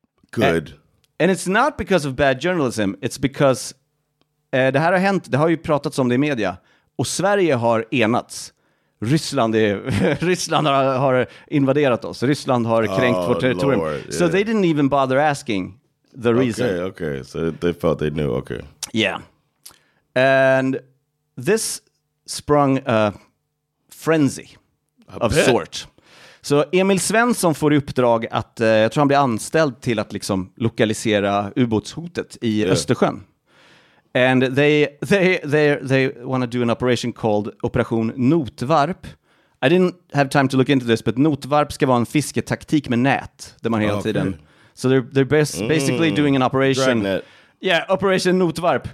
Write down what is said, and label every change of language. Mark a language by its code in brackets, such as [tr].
[en] Good. And it's not because of bad journalism. It's because [sv] det här har hänt, det har ju pratats om det i media. Och Sverige har enats. Ryssland har invaderat oss. Ryssland har kränkt vårt territorium. [en] Yeah. So they didn't even bother asking the reason. Okay. So they felt they knew. Okay. Yeah. And this sprung a frenzy of sort. [sv] Så Emil Svensson får i uppdrag att, jag tror han blir anställd till att liksom lokalisera ubåtshotet i Östersjön. [en] And they want to do an operation called Operation Notvarp. I didn't have time to look into this, but [sv] Notvarp ska vara en fisketaktik med nät där man hela tiden. [en] So they're basically doing an operation. Dragnet. Yeah, Operation Notvarp.